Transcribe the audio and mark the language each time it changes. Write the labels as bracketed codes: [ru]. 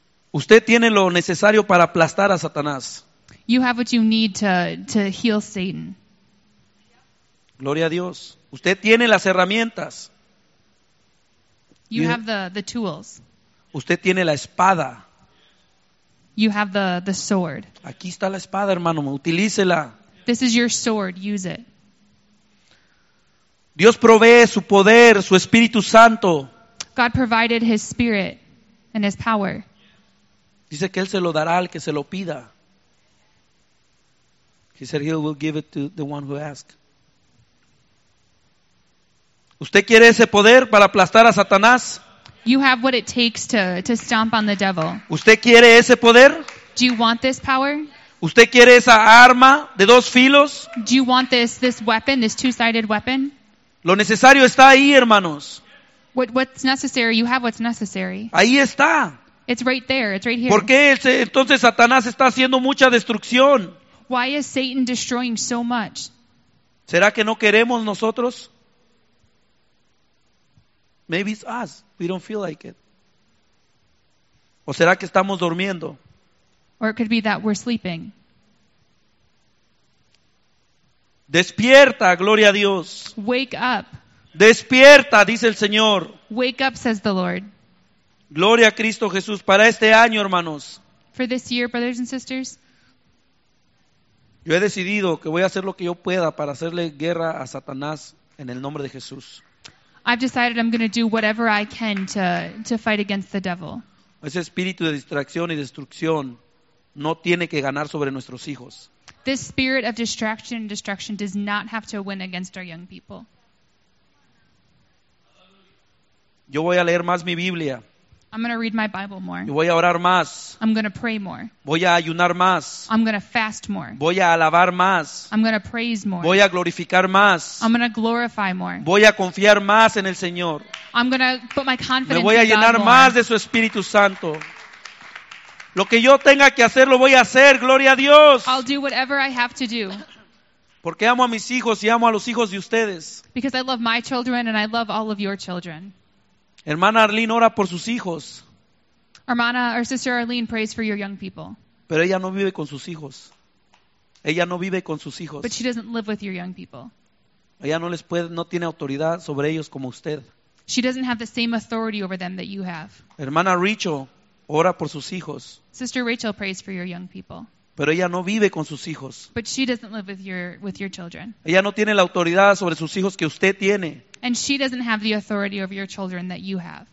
[es] Usted tiene lo necesario para aplastar a Satanás. [en] You have what you need to heal Satan. [es] Gloria a Dios. Usted tiene las herramientas. [en] You have the tools. [es] Usted tiene la espada. [en] You have the sword. [es] Aquí está la espada, hermano. Utilícela. [en] This is your sword. Use it. [es] Dios provee su poder, su Espíritu Santo. [en] God provided his spirit and his power. [es] Dice que él se lo dará al que se lo pida. [en] He said he will give it to the one who asks. [es] ¿Usted quiere ese poder para aplastar a Satanás? [en] You have what it takes to stomp on the devil. [es] ¿Usted quiere ese poder? [en] Do you want this power? [es] ¿Usted quiere esa arma de dos filos? [en] Do you want this weapon, this two-sided weapon? [es] Lo necesario está ahí, hermanos. [en] What's necessary, you have what's necessary. [es] Ahí está. [en] It's right there, it's right here. [es] ¿Por qué entonces Satanás está haciendo mucha destrucción? [en] Why is Satan destroying so much? [es] ¿Será que no queremos nosotros? [en] Maybe it's us. We don't feel like it. [es] ¿O será que estamos durmiendo? [en] Or it could be that we're sleeping. [es] Despierta, gloria a Dios. [en] Wake up. [es] Despierta, dice el Señor. [en] Wake up, says the Lord. [es] Gloria a Cristo Jesús para este año, hermanos. [en] For this year, brothers and sisters. [es] Yo he decidido que voy a hacer lo que yo pueda para hacerle guerra a Satanás en el nombre de Jesús. [en] I've decided I'm going to do whatever I can to fight against the devil. [es] Ese espíritu de distracción y destrucción no tiene que ganar sobre nuestros hijos. [en] This spirit of distraction and destruction does not have to win against our young people. [es] Yo voy a leer más mi Biblia. [en] I'm going to read my Bible more. [es] Y voy a orar más. [en] I'm going to pray more. [es] Voy a ayunar más. [en] I'm going to fast more. [es] Voy a alabar más. [en] I'm going to praise more. [es] Voy a glorificar más. [en] I'm going to glorify more. [es] Voy a confiar más en el Señor. [en] I'm going to put my confidence in God. [es] Me voy a llenar más de su Espíritu Santo. Lo que yo tenga que hacer lo voy a hacer, gloria a Dios. [en] I'll do whatever I have to do. [es] Porque amo a mis hijos y amo a los hijos de ustedes. [en] Because I love my children and I love all of your children. [es] Hermana Arlene ora por sus hijos. [en] Hermana, or sister Arlene prays for your young people. [es] Pero ella no vive con sus hijos. Ella no vive con sus hijos. [en] But she doesn't live with your young people. [es] Ella no les puede, no tiene autoridad sobre ellos como usted. [en] She doesn't have the same authority over them that you have. [es] Hermana Rachel ora por sus hijos. [en] Sister Rachel prays for your young people. [es] Pero ella no vive con sus hijos. [en] But she doesn't live with your children. [es] Ella no tiene la autoridad sobre sus hijos que usted tiene. [en] And she doesn't have the authority over your children that you have.